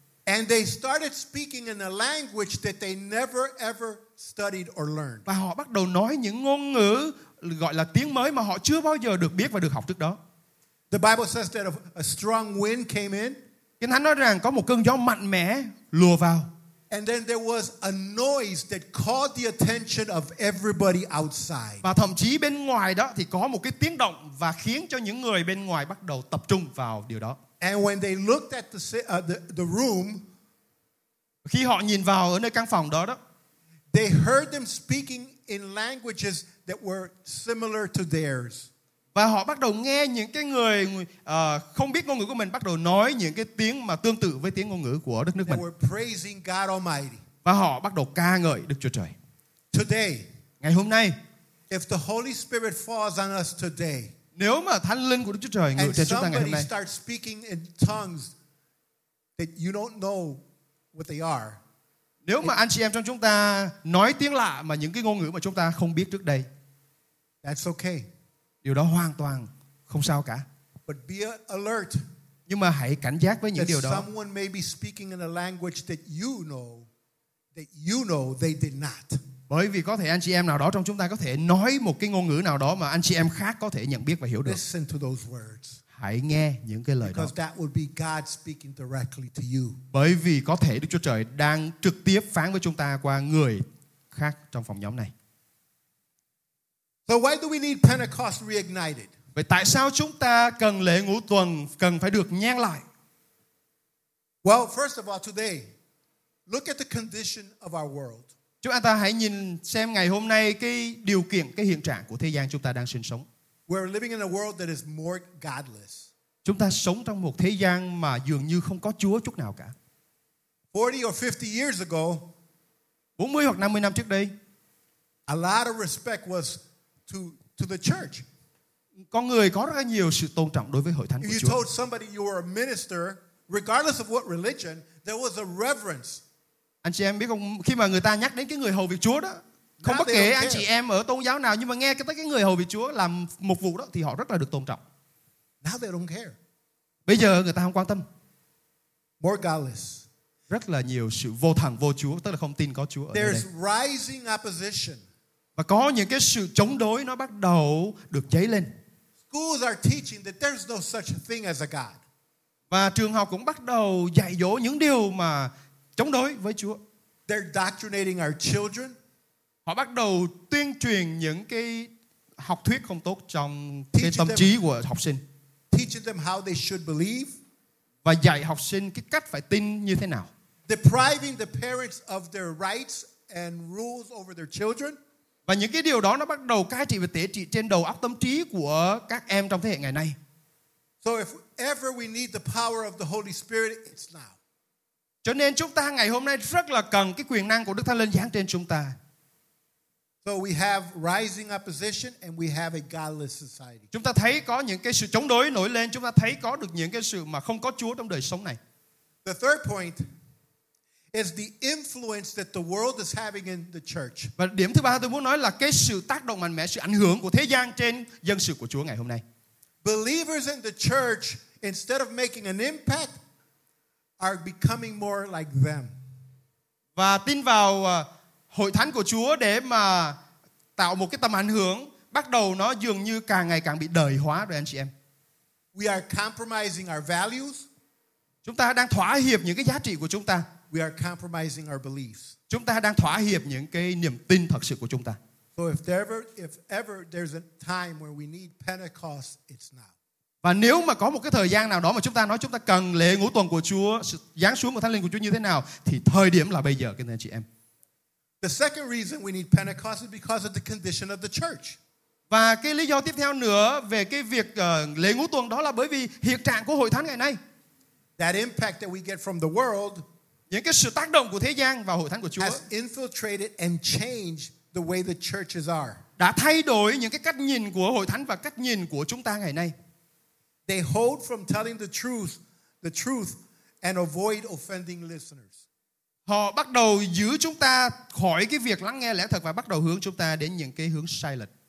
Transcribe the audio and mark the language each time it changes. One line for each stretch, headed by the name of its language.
English: And they started speaking in a language that they never ever studied or learned.
Vietnamese: Và họ bắt đầu nói những ngôn ngữ gọi là tiếng mới mà họ chưa bao giờ được biết và được học trước đó.
English: The Bible says that a strong wind came in.
Vietnamese: Kinh thánh nói rằng có một cơn gió mạnh mẽ lùa vào.
English: And then there was a noise that caught the attention of everybody outside.
Vietnamese: Và thậm chí bên ngoài đó thì có một cái tiếng động và khiến cho những người bên ngoài bắt đầu tập trung vào điều đó.
English: And when they looked at the room,
Vietnamese: khi họ nhìn vào ở nơi căn phòng đó,
English: they heard them speaking in languages that were similar to theirs.
Vietnamese: Và họ bắt đầu nghe những cái người không biết ngôn ngữ của mình bắt đầu nói những cái tiếng mà tương tự với tiếng ngôn ngữ của đất nước mình.
English: They were praising God Almighty.
Vietnamese: Và họ bắt đầu ca ngợi Đức Chúa Trời.
English: Today,
Vietnamese: ngày hôm nay,
English: if the Holy Spirit falls on us today,
Vietnamese: nếu mà Thánh Linh của Đức Chúa Trời ngự trên chúng ta ngày hôm nay,
English: and somebody starts speaking in tongues that you don't know what they are,
Vietnamese: nếu mà anh chị em trong chúng ta nói tiếng lạ mà những cái ngôn ngữ mà chúng ta không biết trước đây,
English: that's okay.
Vietnamese: Điều đó hoàn toàn không sao cả.
English: But be alert.
Vietnamese: Nhưng mà hãy cảnh giác với những điều đó.
English: Someone may be speaking in a language that you know they did not.
Vietnamese: Bởi vì có thể anh chị em nào đó trong chúng ta có thể nói một cái ngôn ngữ nào đó mà anh chị em khác có thể nhận biết và hiểu được.
English: Listen to those words.
Vietnamese: Hãy nghe những cái lời
English: Because
Vietnamese: đó.
English: That would be God speaking directly to you.
Vietnamese: Bởi vì có thể Đức Chúa Trời đang trực tiếp phán với chúng ta qua người khác trong phòng nhóm này.
English: So why do we need Pentecost reignited?
Vietnamese: Vậy tại sao chúng ta cần lễ ngũ tuần cần phải được nhen lại?
English: Well, first of all, today, look at the condition of our world.
Vietnamese: Chúng ta hãy nhìn xem ngày hôm nay cái điều kiện, cái hiện trạng của thế gian chúng ta đang sinh sống.
English: We're living in a world that is more godless.
Vietnamese: Chúng ta sống trong một thế gian mà dường như không có Chúa chút nào cả.
English: 40 or 50 years ago,
Vietnamese: 40 hoặc 50 năm trước đây,
English: a lot of respect was to the church.
Vietnamese: Con người có rất nhiều sự tôn trọng đối với hội thánh của Chúa.
English: If you told somebody you were a minister, regardless of what religion, there was a reverence.
Vietnamese: Anh chị em biết không, khi mà người ta nhắc đến cái người hầu việc Chúa đó, không bất kể anh chị em ở tôn giáo nào, nhưng mà nghe tới cái người hầu việc Chúa làm mục vụ đó thì họ rất là được tôn trọng.
English: Now they don't care.
Vietnamese: Bây giờ người ta không quan tâm.
English: More godless.
Vietnamese: Rất là nhiều sự vô thần vô Chúa, tức là không tin có Chúa ở đây.
English: There's rising opposition.
Vietnamese: Và có những cái sự chống đối nó bắt đầu được cháy lên.
English: Schools are teaching that there's no such thing as a God.
Vietnamese: Và trường học cũng bắt đầu dạy dỗ những điều mà chống đối với Chúa.
English: They're doctrinating our children.
Vietnamese: Họ bắt đầu tuyên truyền những cái học thuyết không tốt trong cái tâm trí của học sinh.
English: Teaching them how they should believe.
Vietnamese: Và dạy học sinh cái cách phải tin như thế nào.
English: Depriving the parents of their rights and rules over their children.
Vietnamese: Và những cái điều đó nó bắt đầu cai trị và tể trị trên đầu óc tâm trí của các em trong thế hệ ngày nay.
English: So if ever we need the power of the Holy Spirit, it's now.
Vietnamese: Cho nên chúng ta ngày hôm nay rất là cần cái quyền năng của Đức Thánh Linh giáng trên chúng ta.
English: So we have rising opposition and we have a godless society.
Vietnamese: Chúng ta thấy có những cái sự chống đối nổi lên, chúng ta thấy có được những cái sự mà không có Chúa trong đời sống này.
English: The third point is the influence that the world is having in the church.
Vietnamese: Và điểm thứ ba tôi muốn nói là cái sự tác động mạnh mẽ, sự ảnh hưởng của thế gian trên dân sự của Chúa ngày hôm nay.
English: Believers in the church, instead of making an impact, are becoming more like them.
Vietnamese: Và tin vào hội thánh của Chúa để mà tạo một cái tầm ảnh hưởng, bắt đầu nó dường như càng ngày càng bị đời hóa rồi anh chị em.
English: We are compromising our values.
Vietnamese: Chúng ta đang thỏa hiệp những cái giá trị của chúng ta.
English: We are compromising our beliefs.
Vietnamese: Chúng ta đang thỏa hiệp những cái niềm tin thật sự của chúng ta.
English: So if ever there's a time where we need Pentecost, it's now.
Vietnamese: Và nếu mà có một cái thời gian nào đó mà chúng ta nói chúng ta cần lễ ngũ tuần của Chúa, giáng xuống của Thánh Linh của Chúa như thế nào, thì thời điểm là bây giờ, các anh chị em.
English: The second reason we need Pentecost is because of the condition of the church.
Vietnamese: Và cái lý do tiếp theo nữa về cái việc lễ ngũ tuần đó là bởi vì hiện trạng của hội thánh ngày nay.
English: That impact that we get from the world.
Vietnamese: Những cái sự tác động của thế gian vào hội thánh của Chúa
English: has infiltrated and changed the way the churches are.
Vietnamese: Đã thay đổi những cái cách nhìn của hội thánh và cách nhìn của chúng ta ngày nay.
English: They hold from telling the truth and avoid offending listeners.
Vietnamese: Họ bắt đầu giữ chúng ta khỏi cái việc lắng nghe lẽ thật và bắt đầu hướng chúng ta đến những cái hướng sai lệch.